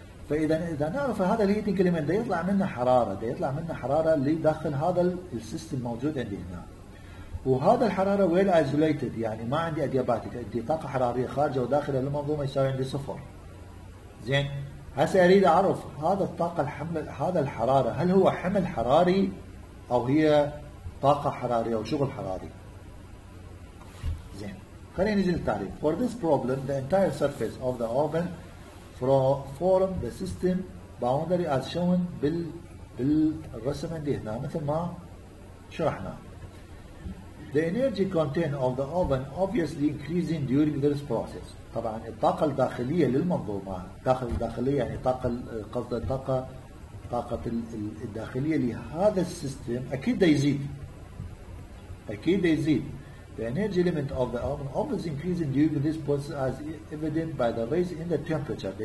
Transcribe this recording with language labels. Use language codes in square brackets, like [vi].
[ar] فاذا نعرف هذا الهيتنج اليمنت يطلع منه حرارة، يطلع منه حرارة لداخل هذا السيستم موجود عندي هنا، وهذا الحرارة وين ايزوليتد، يعني ما عندي اديباتيك، عندي طاقة حرارية خارجة وداخل المنظومة يساوي عندي صفر. زين، هسه اريد اعرف هذا الطاقة الحمل، هذا الحرارة هل هو حمل حراري او هي طاقة حرارية او شغل حراري. زين، خلينا نجي للتعريف. [en] For this problem the entire surface of the oven form the system boundary as shown [ar] بالرسم عندي هنا مثل ما شرحنا. [en] The energy content of the oven obviously increasing during this process. [ar] طبعا الطاقة الداخلية للمنظومة، داخل الداخلية يعني طاقة، قصد الطاقة، طاقة الداخلية لهذا السيستم أكيد يزيد، أكيد يزيد. [en] The energy limit of the oven always increasing during this process as evident by the rise in the temperature.